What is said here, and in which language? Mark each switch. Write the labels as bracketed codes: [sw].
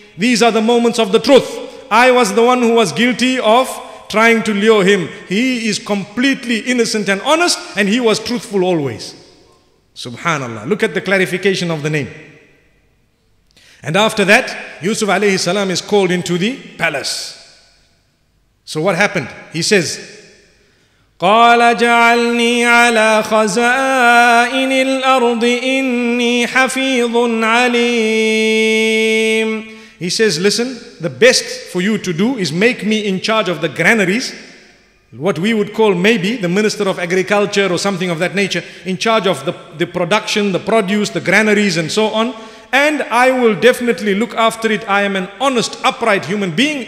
[en] These are the moments of the truth. I was the one who was guilty of trying to lure him. He is completely innocent and honest, and he was truthful always. Subhanallah. Look at the clarification of the name. And after that, Yusuf alayhi salam is called into the palace. So what happened? He says, [ar] قال جعلني على خزائن الأرض إني حفيظ عليم. [en] He says, listen, the best for you to do is make me in charge of the granaries, what we would call maybe the minister of agriculture or something of that nature, in charge of the production, the produce, the granaries and so on. and I will definitely look after it. I am an honest, upright human being.